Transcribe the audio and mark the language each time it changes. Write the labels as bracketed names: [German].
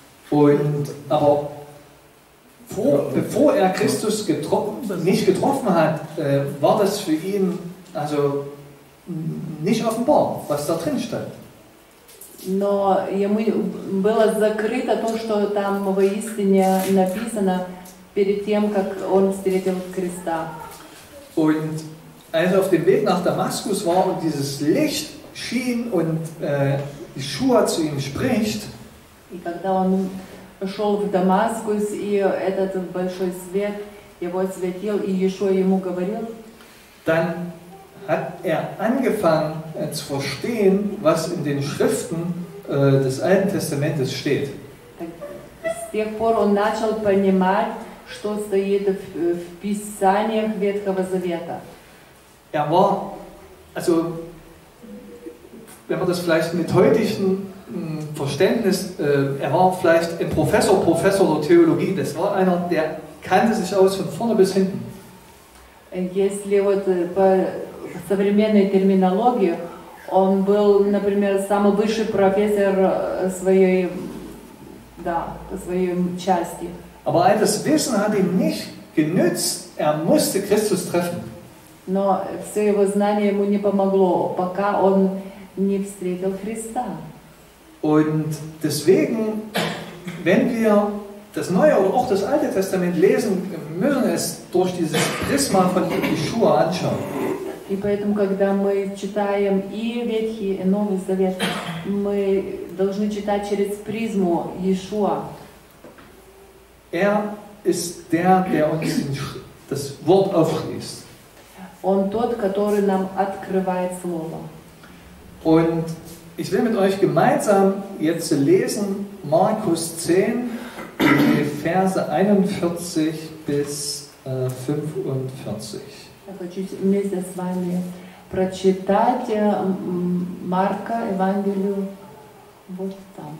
[German] und aber bevor er Christus nicht getroffen hat, war das für ihn also nicht offenbar, was da drin stand. [Russian] Но ему было закрыто то, что там воистине написано перед тем, как он встретил Христа. [German] Und als er auf dem Weg nach Damaskus war und dieses Licht schien und Yeshua zu ihm spricht. [Russian] И когда он шел в Дамаскус и этот большой свет его осветил и Йешуа ему говорил. [German] Dann hat er angefangen zu verstehen, was in den Schriften des Alten Testamentes steht. [Russian] С тех пор он начал понимать, что стоит в Писаниях Ветхого Завета. [German] Er war, also, wenn man das vielleicht mit heutigen Verständnis, er war vielleicht ein Professor der Theologie, das war einer, der kannte sich aus von vorne bis hinten. [Russian] Если вот по современной терминологии, он был, например, самый высший профессор своей, да, своей части. [German] Aber all das Wissen hat ihm nicht genützt, er musste Christus treffen. [Russian] Но все его знание ему не помогло, пока он не встретил Христа. [German] Und deswegen, wenn wir das Neue oder auch das Alte Testament lesen, müssen wir es durch dieses Prisma von Yeshua anschauen. [Russian] И поэтому, когда мы читаем и Ветхий, и Новый Завет, мы должны читать через призму Йешуа. [German] Er ist der, der uns das Wort aufschließt. [Russian] Он тот, который нам открывает Слово. [German] Und ich will mit euch gemeinsam jetzt lesen Markus 10, die Verse 41 bis 45. [Russian] Я хочу вместе с вами прочитать Марка Евангелию вот там.